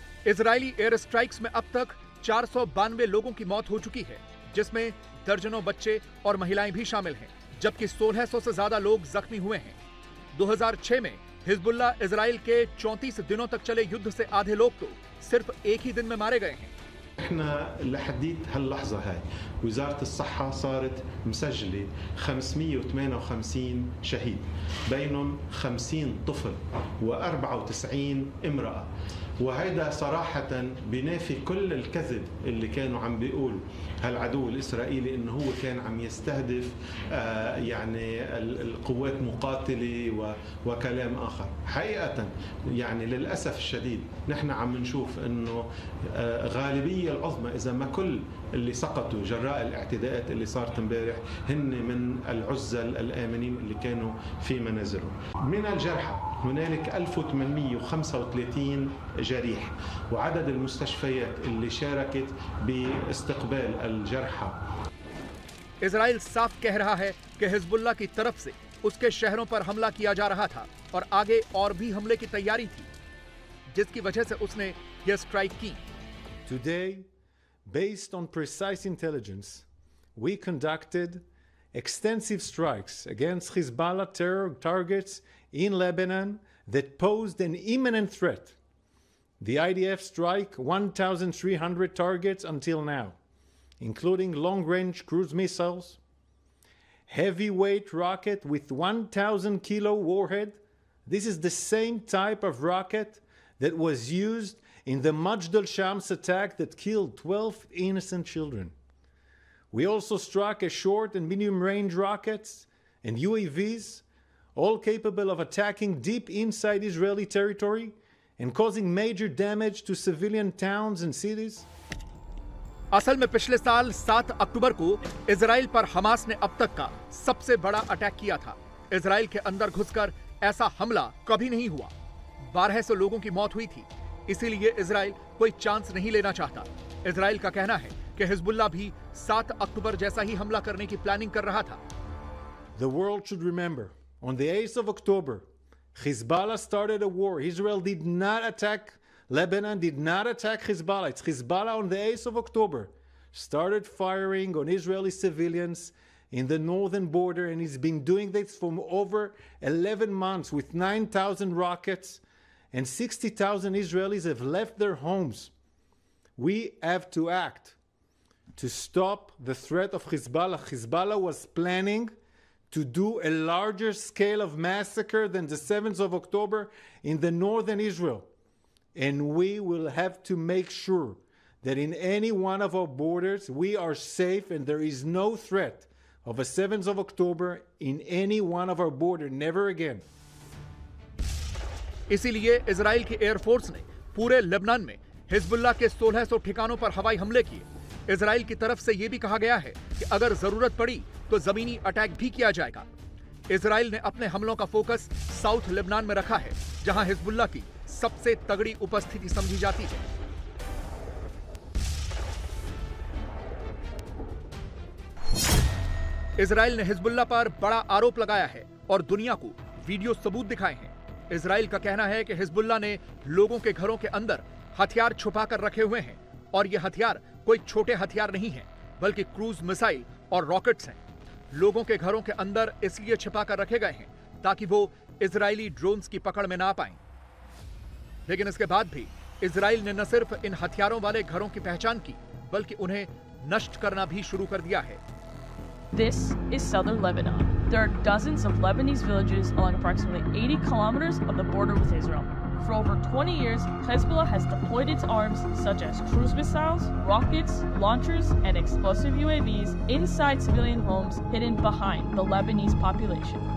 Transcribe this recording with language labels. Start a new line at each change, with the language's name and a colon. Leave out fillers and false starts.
Hindi: Israeli air strikes में अब तक 492 लोगों की मौत हो चुकी है, जिसमें दर्जनों बच्चे और महिलाएं भी शामिल हैं, जबकि 1600 से ज्यादा लोग जख्मी हुए हैं। 2006 में हिजबुल्ला इसराइल के 34 दिनों तक चले युद्ध से आधे लोग तो सिर्फ एक ही दिन में मारे गए हैं।
Arabic: احنا لحديت هاللحظة هاي وزارة الصحة صارت مسجلة 558 شهيد بينهم 50 طفل و 94 امرأة وهذا صراحة بنافي كل الكذب اللي كانوا عم بيقول هالعدو الإسرائيلي إنه هو كان عم يستهدف يعني القوات مقاتلة وكلام آخر حقيقة يعني للأسف الشديد نحن عم نشوف إنه غالبية العظمى إذا ما كل اللي سقطوا جراء الاعتداءات اللي صارت امبارح هن من العزل الآمنين اللي كانوا في منازلهم من الجرحى هنالك 1835 جريح وعدد المستشفيات اللي شاركت باستقبال الجرحى
Hindi: اسرائيل صاف कह रहा है कि हिजबुल्ला की तरफ से उसके शहरों पर हमला किया जा रहा था और आगे और भी हमले की तैयारी थी, जिसकी वजह से उसने यह स्ट्राइक की।
English: Today, based on precise intelligence, we conducted extensive strikes against Hezbollah terror targets in Lebanon that posed an imminent threat. The IDF strike 1,300 targets until now, including long-range cruise missiles, heavyweight rocket with 1,000 kilo warhead. This is the same type of rocket that was used in the Majdal Shams attack that killed 12 innocent children. We also struck a short and medium range rockets and UAVs, all capable of attacking deep inside Israeli territory and causing major damage to civilian towns and cities.
Hindi: असल में पिछले साल 7 अक्टूबर को Israel पर Hamas ने अब तक का सबसे बड़ा अटैक किया था। इजराइल के अंदर घुसकर ऐसा हमला कभी नहीं हुआ। 1200 लोगों की मौत हुई थी, इसीलिए इसराइल कोई चांस नहीं लेना चाहता। इसराइल का कहना है कि हिजबुल्ला भी 7 अक्टूबर जैसा ही हमला करने की प्लानिंग कर रहा था।
English: The world should remember, on the 8th of October, Hezbollah started a war. Israel did not attack Lebanon, did not attack Hezbollah. It's Hezbollah on the 8th of October started firing on Israeli civilians in the northern border, and he's been doing this for over 11 months with 9,000 rockets, and 60,000 Israelis have left their homes. We have to act to stop the threat of Hezbollah. Hezbollah was planning to do a larger scale of massacre than the 7th of October in the northern Israel. And we will have to make sure that in any one of our borders, we are safe and there is no threat of a 7th of October in any one of our borders, never again.
Hindi: इसीलिए Israel की air force ने पूरे Lebanon में Hezbollah के 1600 ठिकानों पर हवाई हमले किए। इजराइल की तरफ से यह भी कहा गया है कि अगर जरूरत पड़ी तो जमीनी अटैक भी किया जाएगा। इजराइल ने अपने हमलों का फोकस साउथ लेबनान में रखा है, जहां हिजबुल्लाह की सबसे तगड़ी उपस्थिति समझी जाती है। इजराइल ने हिजबुल्लाह पर बड़ा आरोप लगाया है और दुनिया को वीडियो सबूत दिखाए हैं। इसराइल का कहना है कि हिजबुल्ला ने लोगों के घरों के अंदर हथियार छुपाकर रखे हुए हैं, और ये हथियार कोई छोटे हथियार नहीं है बल्कि क्रूज मिसाइल और रॉकेट्स हैं। लोगों के घरों के अंदर इसलिए छुपाकर रखे गए हैं ताकि वो इजरायली ड्रोन्स की पकड़ में ना पाएं। लेकिन इसके बाद भी इसराइल ने न सिर्फ इन हथियारों वाले घरों की पहचान की बल्कि उन्हें नष्ट करना भी शुरू कर दिया है।
English: This is southern Lebanon. There are dozens of Lebanese villages along approximately 80 kilometers of the border with Israel. For over 20 years, Hezbollah has deployed its arms, such as cruise missiles, rockets, launchers, and explosive UAVs, inside civilian homes hidden behind the Lebanese population.